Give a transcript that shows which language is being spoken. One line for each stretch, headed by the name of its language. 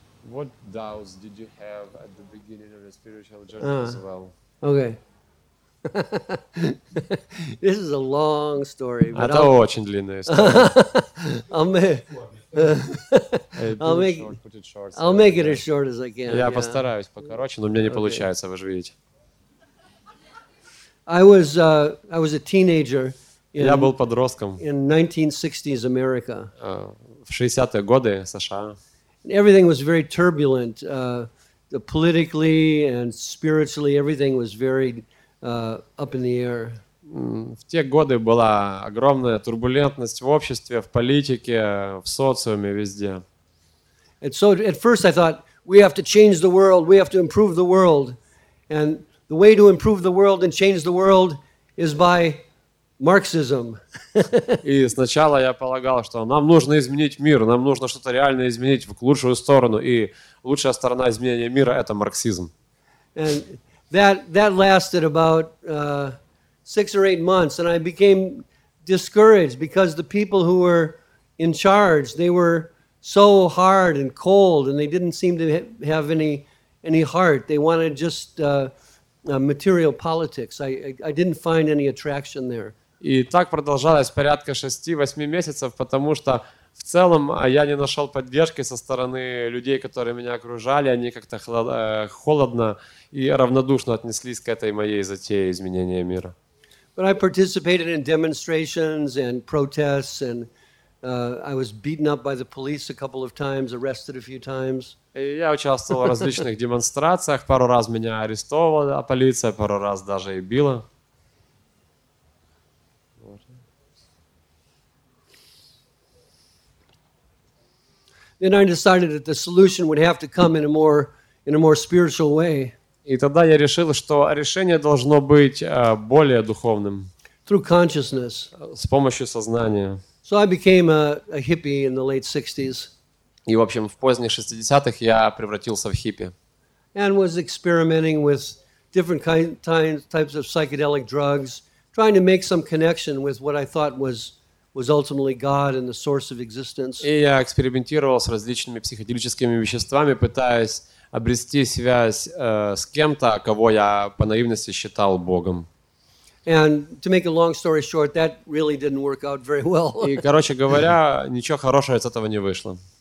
English: What doubts did you have at the beginning of your spiritual journey as well? Okay. This is a long story.
Russian: But это очень длинная история.
English: I'll make it as short as I can.
Russian: Я постараюсь покороче, но у меня не получается, вы же видите.
English: I was a teenager in 1960s America.
Russian: В 60-е годы США.
English: Everything was very turbulent, politically and spiritually. Everything was very up in the air.
Russian: В те годы была огромная турбулентность в обществе, в политике, в социуме, везде.
English: And so at first I thought we have to change the world, we have to improve the world, and the way to improve the world and change the world is by Marxism.
Russian: И сначала я полагал, что нам нужно изменить мир, нам нужно что-то реально изменить в лучшую сторону, и лучшая сторона изменения мира — это марксизм.
English: And that lasted about 6 or 8 months, and I became discouraged because the people who were in charge, they were so hard and cold, and they didn't seem to have any heart. They wanted just material politics. I didn't find any attraction there.
Russian: И так продолжалось порядка 6-8 месяцев, потому что в целом я не нашел поддержки со стороны людей, которые меня окружали. Они как-то холодно и равнодушно отнеслись к этой моей затее изменения мира.
English: But I participated in demonstrations and protests, and I was beaten up by the police a couple of times, arrested a few times.
Russian: И я участвовал в различных демонстрациях. Пару раз меня арестовывала полиция, пару раз даже и била.
English: Then I decided that the solution would have to come in a more spiritual way.
Russian: И тогда я решил, что решение должно быть более духовным.
English: Through consciousness.
Russian: С помощью сознания.
English: So I became a hippie in the late 60s.
Russian: И в общем, в поздних 60-х я превратился в хиппи.
English: And was experimenting with different types of psychedelic drugs, trying to make some connection with what I thought was ultimately God and the source of existence.
Russian: И я экспериментировал с различными психоделическими веществами, пытаясь обрести связь с кем-то, кого я по наивности считал Богом.
English: And to make a long story short, that really didn't work out very well.
Russian: И, короче говоря, ничего хорошего из этого не вышло.